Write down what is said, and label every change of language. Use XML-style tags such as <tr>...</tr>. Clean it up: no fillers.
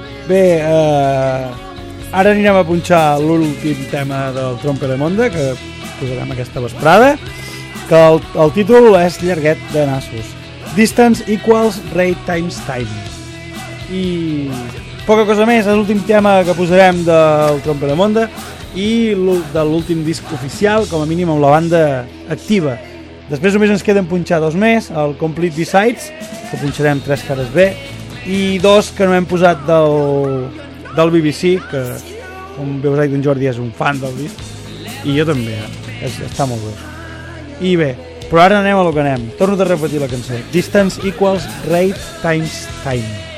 <ca>Bé, ara anirem a punxar l'últim tema del Trompe Le Monde que posarem aquesta vesprada, que el títol és llarguet de nassos.</ca> <en>Distance equals rate times time.</en> <ca>I poca cosa més, és l'últim tema que posarem del Trompe Le Monde i de l'últim disc oficial, com a mínim amb la banda activa. Després només ens queden punxar dos més, el Complete Besides, que punxarem tres cares B, i dos que no hem posat del BBC, que com bé us ha dit en Jordi és un fan del disc, i jo també, està molt bé. I bé, però ara anem a lo que anem. Torno a repetir la cançó.</ca> <en>Distance equals rate times time.</en>